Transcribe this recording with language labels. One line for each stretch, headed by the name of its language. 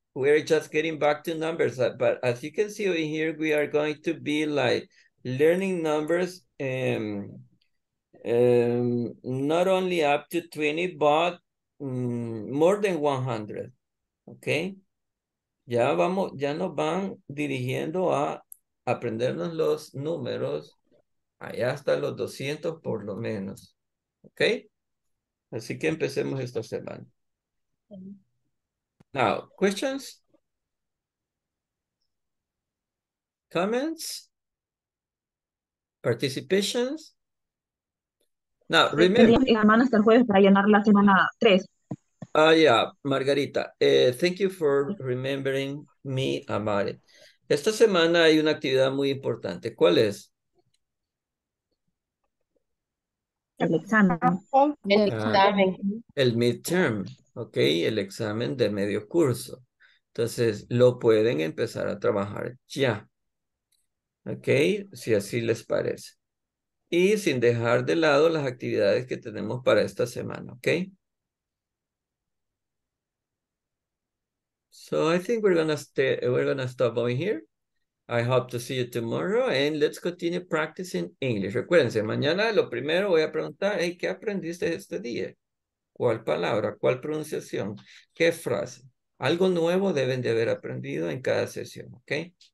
English: We're just getting back to numbers, but as you can see over here, we are going to be like learning numbers not only up to 20, but more than 100, okay?
Spanish: Ya nos van dirigiendo a aprendernos los números allá hasta los 200 por lo menos, okay? Así que empecemos esta semana.
English: Now, questions? Comments? Participations? Now, remember...
Spanish: En la mano hasta el jueves para llenar la semana 3.
English: Yeah, Margarita, thank you for remembering me about it.
Spanish: Esta semana hay una actividad muy importante. ¿Cuál es? El midterm, ok, el examen de medio curso. Entonces, lo pueden empezar a trabajar ya, ok, si así les parece. Y sin dejar de lado las actividades que tenemos para esta semana, ok.
English: So I think we're gonna stop over here. I hope to see you tomorrow and let's continue practicing English.
Spanish: Recuérdense, mañana lo primero voy a preguntar, hey, ¿qué aprendiste este día? ¿Cuál palabra? ¿Cuál pronunciación? ¿Qué frase? Algo nuevo deben de haber aprendido en cada sesión, ¿ok?